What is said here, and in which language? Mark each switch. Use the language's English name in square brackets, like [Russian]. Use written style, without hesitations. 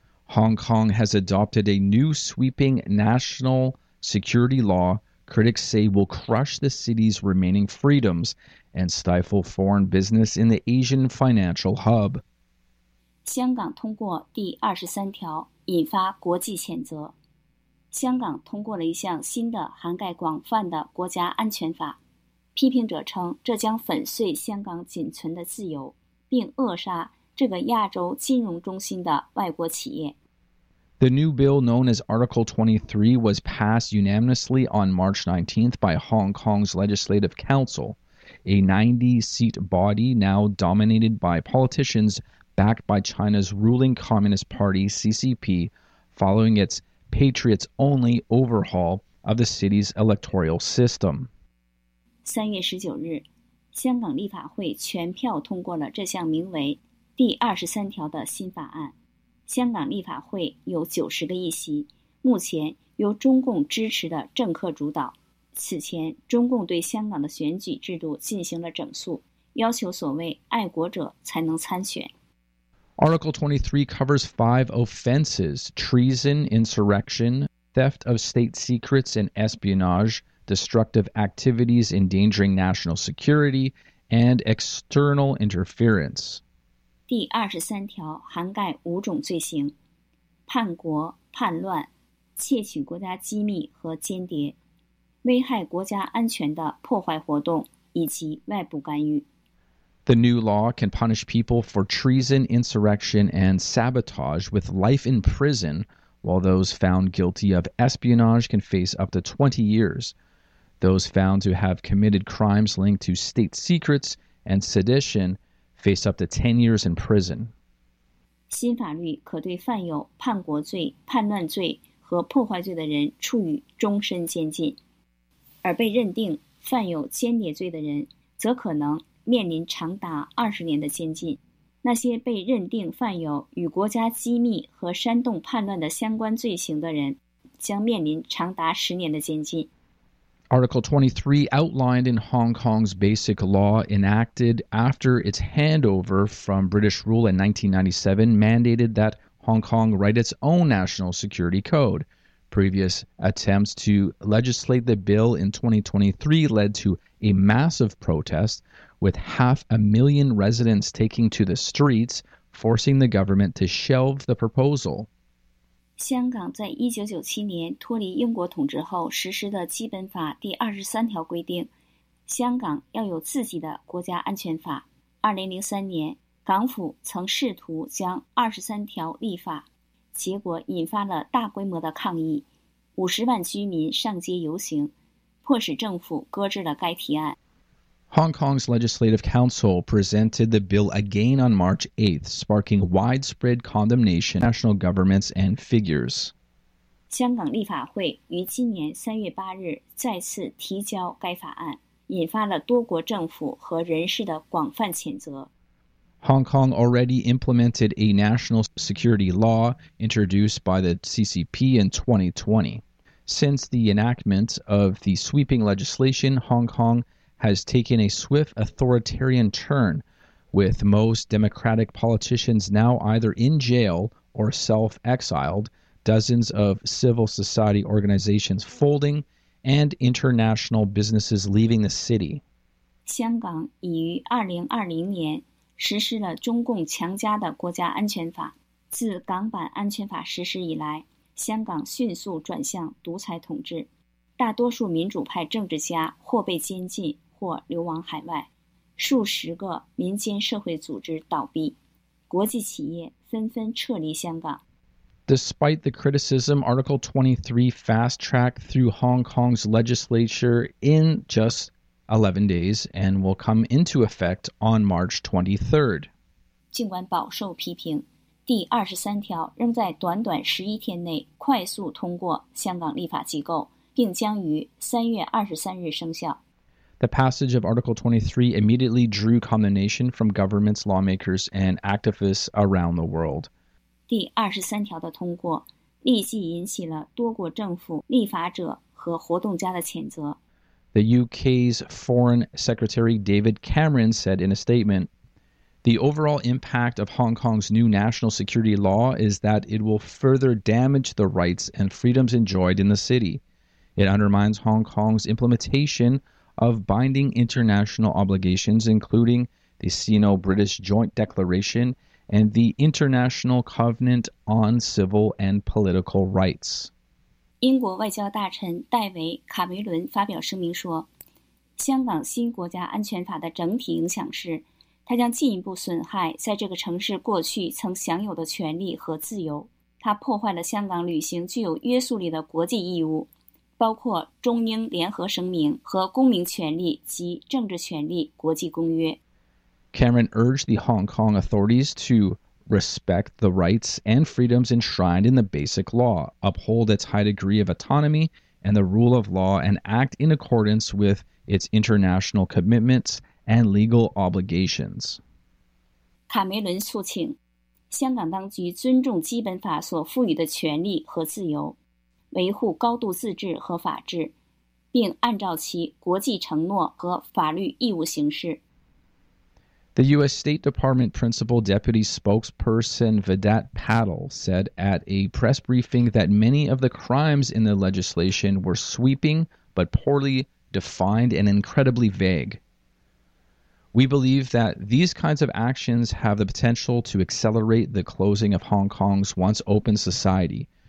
[English] Hong Kong has adopted a new sweeping national security law critics say will crush the city's remaining freedoms and stifle foreign business in the Asian financial hub. [Chinese] 香港通过第23条引发国际谴责。香港通过了一项新的涵盖广泛的国家安全法。批评者称这将粉碎香港仅存的自由，并扼杀这个亚洲金融中心的外国企业。 [English] The new bill known as Article 23 was passed unanimously on March 19th by Hong Kong's Legislative Council, a 90-seat body now dominated by politicians backed by China's ruling Communist Party, CCP, following its patriots-only overhaul of the city's electoral system. [Chinese] 3月19日，香港立法会全票通过了这项名为第23条的新法案。香港立法会有90个议席，目前由中共支持的政客主导。此前，中共对香港的选举制度进行了整肃，要求所谓爱国者才能参选。 [English] Article 23 covers five offenses: treason, insurrection, theft of state secrets and espionage, destructive activities endangering national security, and external interference. [Chinese] 第23条涵盖五种罪行：叛国、叛乱、窃取国家机密和间谍、危害国家安全的破坏活动以及外部干预。 [English] The new law can punish people for treason, insurrection, and sabotage with life in prison, while those found guilty of espionage can face up to 20 years. Those found to have committed crimes linked to state secrets and sedition face up to 10 years in prison. [Chinese] 新法律可对犯有叛国罪、叛乱罪和破坏罪的人处以终身监禁，而被认定犯有间谍罪的人则可能面临长达20年的监禁。那些被认定犯有与国家机密和煽动叛乱的相关罪行的人将面临长达10年的监禁。 [English] Article 23 outlined in Hong Kong's basic law enacted after its handover from British rule in 1997 mandated that Hong Kong write its own national security code. Previous attempts to legislate the bill in 2023 led to a massive protest, with 500,000 residents taking to the streets, forcing the government to shelve the proposal. [Chinese] 香港在1997年脱离英国统治后实施的基本法第23条规定，香港要有自己的国家安全法。 2003年，港府曾试图将23条立法，结果引发了大规模的抗议，50万居民上街游行，迫使政府搁置了该提案。 [English] Hong Kong's Legislative Council presented the bill again on March 8th, sparking widespread condemnation of national governments and figures. [Chinese] 香港立法会于今年3月8日再次提交该法案，引发了多国政府和人士的广泛谴责。 [English] Hong Kong already implemented a national security law introduced by the CCP in 2020. Since the enactment of the sweeping legislation, Hong Kong has taken a swift authoritarian turn, with most democratic politicians now either in jail or self-exiled, dozens of civil society organizations folding, and international businesses leaving the city. [Chinese] 香港已于2020年实施了中共强加的国家安全法。自港版安全法实施以来，香港迅速转向独裁统治，大多数民主派政治家或被监禁或流亡海外，数十个民间社会组织倒闭，国际企业纷纷撤离香港。 [English] Despite the criticism, Article 23 fast-tracked through Hong Kong's legislature in just 11 days and will come into effect on March 23rd. [Chinese] 尽管饱受批评，第23条仍在短短11天内快速通过香港立法机构，并将于3月23日生效。 [English] The passage of Article 23 immediately drew condemnation from governments, lawmakers, and activists around the world. [Chinese] 第23条的通过，立即引起了多国政府、立法者和活动家的谴责。 [English] The UK's Foreign Secretary David Cameron said in a statement, The overall impact of Hong Kong's new national security law is that it will further damage the rights and freedoms enjoyed in the city. It undermines Hong Kong's implementation of binding international obligations, including the Sino-British Joint Declaration and the International Covenant on Civil and Political Rights. [Chinese] 英国外交大臣戴维·卡梅伦发表声明说，香港新国家安全法的整体影响是，它将进一步损害在这个城市过去曾享有的权利和自由。它破坏了香港履行具有约束力的国际义务，包括中英联合声明和公民权利及政治权利国际公约。 [English] Cameron urged the Hong Kong authorities to respect the rights and freedoms enshrined in the basic law, uphold its high degree of autonomy and the rule of law, and act in accordance with its international commitments and legal obligations. [Chinese] 卡梅伦促请香港当局尊重基本法所赋予的权利和自由，维护高度自治和法治，并按照其国际承诺和法律义务行事。 [English] The U.S. State Department Principal Deputy Spokesperson Vedat Patel said at a press briefing that many of the crimes in the legislation were sweeping but poorly defined and incredibly vague. We believe that these kinds of actions have the potential to accelerate the closing of Hong Kong's once open society.